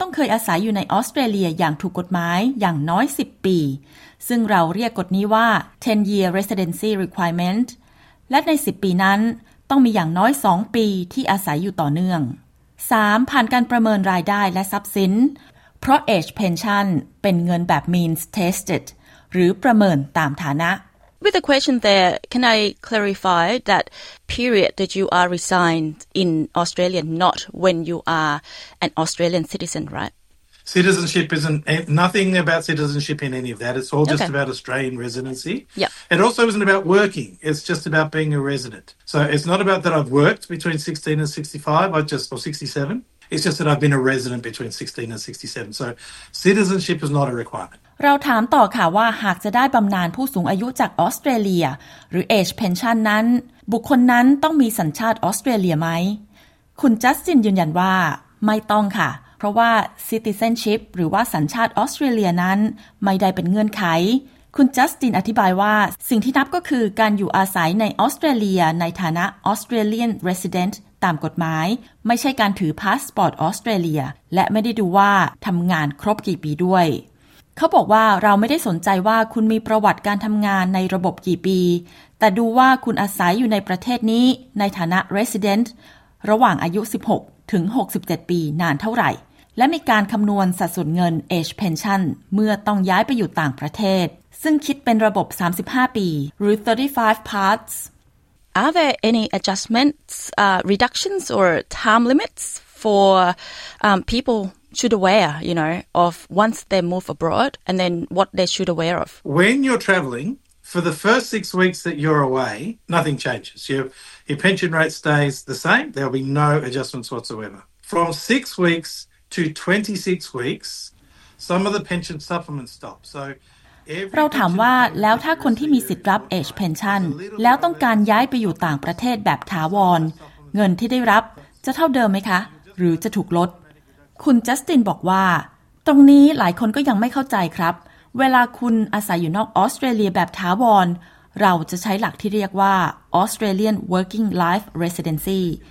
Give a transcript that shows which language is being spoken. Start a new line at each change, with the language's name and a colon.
Thai: ต้องเคยอาศัยอยู่ในออสเตรเลียอย่างถูกกฎหมายอย่างน้อย10ปีซึ่งเราเรียกกฎนี้ว่า
English: 10 year residency requirement
Thai: และใน10ปีนั้นต้องมีอย่างน้อย2ปีที่อาศัยอยู่ต่อเนื่อง 3. ผ่านการประเมินรายได้และทรัพย์สินเพราะ age pension เป็นเงินแบบ means tested หรือประเมินตามฐานะ
English: With the question there, can I clarify that period that you are resigned in Australia, not when you are an Australian citizen, right? Citizenship isn't nothing about citizenship in any of that. It's all just about Australian residency. Yeah. It also isn't about working. It's just about being a resident. So it's not about that I've worked between 16 and 65, or 67. It's just that I've been a resident between 16 and 67. So citizenship is not a requirement.
Thai: เราถามต่อค่ะว่าหากจะได้บำนาญผู้สูงอายุจากออสเตรเลียหรือ Age Pension นั้นบุคคลนั้นต้องมีสัญชาติออสเตรเลียไหมคุณจัสตินยืนยันว่าไม่ต้องค่ะเพราะว่า citizenship หรือว่าสัญชาติออสเตรเลียนั้นไม่ได้เป็นเงื่อนไข คุณจัสตินอธิบายว่าสิ่งที่นับก็คือการอยู่อาศัยในออสเตรเลียในฐานะ Australian Resident ตามกฎหมายไม่ใช่การถือพาสปอร์ตออสเตรเลียและไม่ได้ดูว่าทำงานครบกี่ปีด้วย เขาบอกว่าเราไม่ได้สนใจว่าคุณมีประวัติการทำงานในระบบกี่ปีแต่ดูว่าคุณอาศัยอยู่ในประเทศนี้ในฐานะ Resident ระหว่างอายุ16ถึง67ปีนานเท่าไหร่และมีการคำนวณสัดส่วนเงิน Age Pension เมื่อต้องย้ายไปอยู่ต่างประเทศซึ่งคิดเป็นระบบ35ปีหรือ35 parts
English: Are there any adjustments, reductions or time limits for people should aware, you know, of once they move abroad and then what they should aware of? When you're travelling, for the first 6 weeks that you're away, nothing changes. Your pension rate stays the same. There'll be no adjustments whatsoever. From 6 weeks to 26 weeks, some of the pension supplements stop. So...
Thai: เราถามว่าแล้วถ้าคนที่มีสิทธิ์รับ Age Pension แล้วต้องการย้ายไปอยู่ต่างประเทศแบบถาวรเงินที่ได้รับจะเท่าเดิมไหมคะหรือจะถูกลดคุณจัสตินบอกว่าตรงนี้หลายคนก็ยังไม่เข้าใจครับเวลาคุณอาศัยอยู่นอกออสเตรเลียแบบถาวรเราจะใช้หลักที่เรียกว่า Australian Working Life Residency